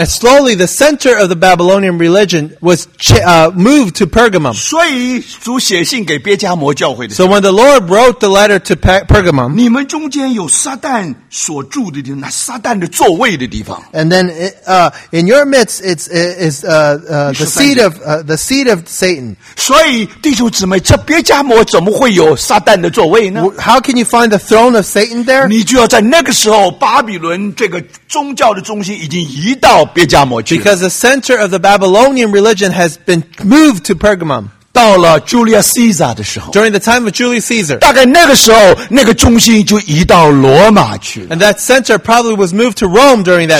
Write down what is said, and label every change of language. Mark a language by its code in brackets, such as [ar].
[en] And slowly the center of the Babylonian religion was moved to Pergamum. [zh] 所以主写信给别加摩教会的。 [en] So when the Lord wrote the letter to Pergamum, [zh] 你们中间有撒旦所住的地方，撒旦的座位的地方。 [en] And then in your midst is the seat of Satan. [zh] 所以弟兄姊妹，这别加摩怎么会有撒旦的座位呢？ [en] How can you find the throne of Satan there? [zh] 你就要在那个时候，巴比伦这个宗教的中心已经移到别加摩去。 [en] Because the center of the Babylonian religion has been moved to Pergamum. [zh] 到了 Julius Caesar 的时候， [en] During the time of Julius Caesar， [zh] 大概那个时候，那个中心就移到罗马去了。 [en] And that center probably was moved to Rome during that time.